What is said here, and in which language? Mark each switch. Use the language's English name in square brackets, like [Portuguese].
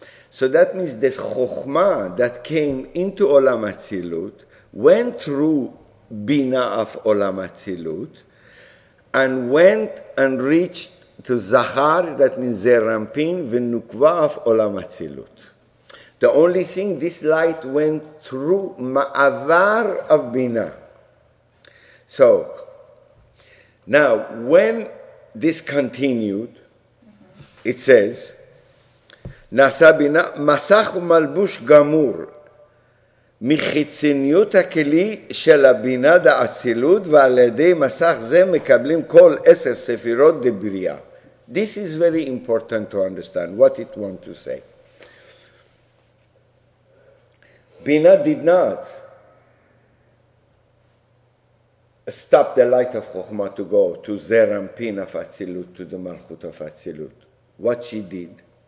[English] So that means the Chochmah that came into Olam Atzilut went through Bina of Olam Atzilut, and went and reached to Zachar, that means Zerampin, v'nukva of Olam Atzilut. The only thing, this light went through Ma'avar of Bina. So, now, when this continued, it says, [Hebrew] Nasa Bina, Masach Malbush Gamur, מחיצוניות הכלי של הבינה דאצילות ועל ידי מסך זה מקבלים כל עשר ספירות דבריה. [English] This is very important to understand what it wants to say. Bina did not stop the light of Chochmah to go to Zerampin of Atzilut, to the Malchut of Atzilut. What she did?